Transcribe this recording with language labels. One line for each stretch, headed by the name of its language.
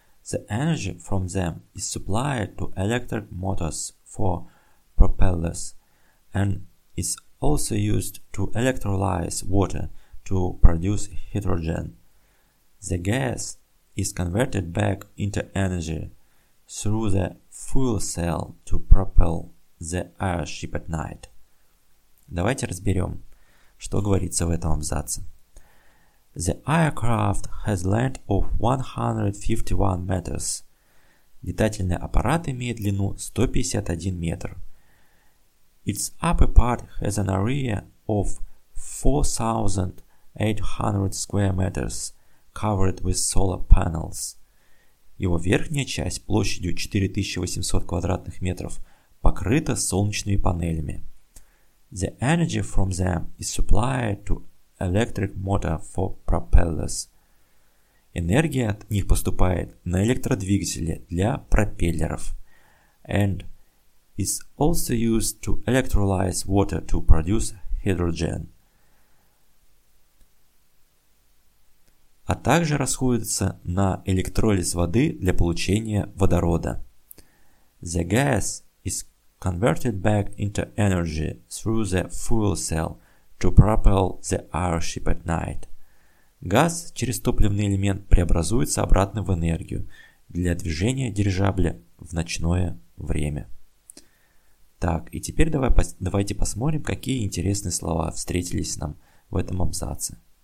English: The energy from them is supplied to electric motors for propellers, and is also used to electrolyze water to produce hydrogen. The gas is converted back into energy through the fuel cell to propel the airship at night.
Russian: Давайте разберем, что говорится в этом абзаце.
English: The aircraft has length of 151 meters.
Russian: Летательный аппарат имеет длину 151 метр.
English: Its upper part has an area of 4,800 square meters covered with solar panels.
Russian: Его верхняя часть площадью 4800 квадратных метров покрыта солнечными панелями.
English: The energy from them is supplied to electric motor for propellers.
Russian: Энергия от них поступает на электродвигатели для пропеллеров.
English: And is also used to electrolyze water to produce hydrogen.
Russian: А также расходуется на электролиз воды для получения водорода.
English: The gas is converted back into energy through the fuel cell to propel the airship at night.
Russian: Газ через топливный элемент преобразуется обратно в энергию для движения дирижабля в ночное время. Так, и теперь давайте посмотрим, какие интересные слова встретились нам в этом абзаце.